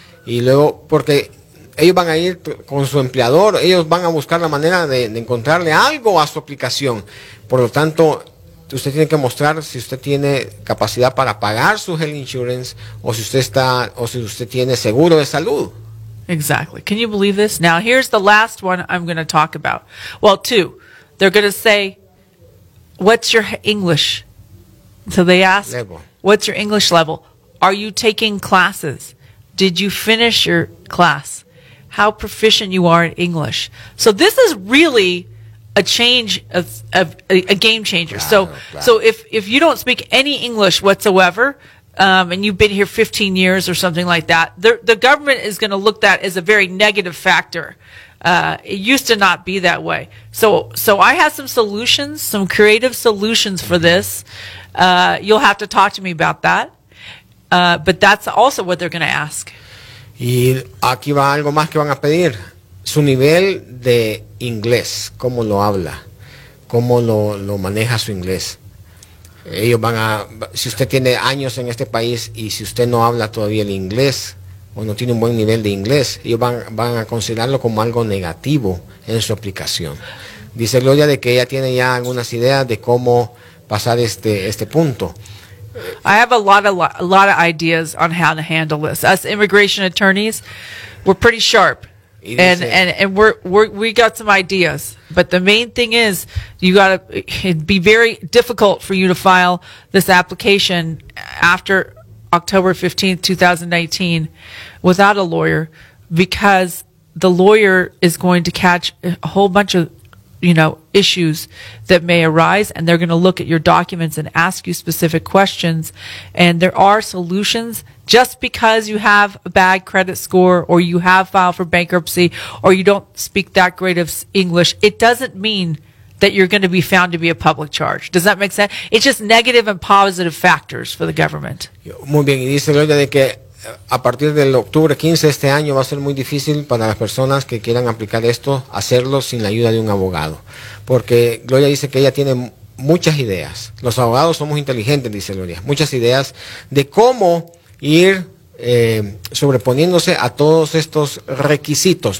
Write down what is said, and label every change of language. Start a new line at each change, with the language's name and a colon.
Spanish: Y luego, porque ellos van a ir con su empleador, ellos van a buscar la manera de encontrarle algo a su aplicación. Por lo tanto, usted tiene que mostrar si usted tiene capacidad para pagar su health insurance o si usted tiene seguro de salud.
English: Exactly. Can you believe this? Now, here's the last one I'm going to talk about. Well, two. They're going to say, what's your English? So they ask, level. What's your English level? Are you taking classes? Did you finish your class? How proficient you are in English. So this is really a change of a game changer. Claro, so claro. So if you don't speak any English whatsoever, and you've been here 15 years or something like that, the government is going to look that as a very negative factor. It used to not be that way. So I have some solutions, some creative solutions for this. You'll have to talk to me about that. But that's also what they're going to ask.
Spanish: Y aquí va algo más que van a pedir. Su nivel de inglés, cómo lo habla, cómo lo maneja su inglés. Ellos van a, si usted tiene años en este país y si usted no habla todavía el inglés o no tiene un buen nivel de inglés, ellos van a considerarlo como algo negativo en su aplicación. Dice Gloria de que ella tiene ya algunas ideas de cómo pasar este punto.
English: I have a lot of ideas on how to handle this. Us immigration attorneys, we're pretty sharp, and we got some ideas. But the main thing is, you gotta. It'd be very difficult for you to file this application after October 15th, 2019, without a lawyer, because the lawyer is going to catch a whole bunch of, you know, issues that may arise, and they're going to look at your documents and ask you specific questions. And there are solutions. Just because you have a bad credit score or you have filed for bankruptcy or you don't speak that great of English, it doesn't mean that you're going to be found to be a public charge. Does that make sense? It's just negative and positive factors for the government.
Spanish: Muy bien. Y dice Gloria de que a partir del octubre 15 de este año va a ser muy difícil para las personas que quieran aplicar esto, hacerlo sin la ayuda de un abogado. Porque Gloria dice que ella tiene muchas ideas. Los abogados somos inteligentes, dice Gloria. Muchas ideas de cómo ir sobreponiéndose a todos estos requisitos.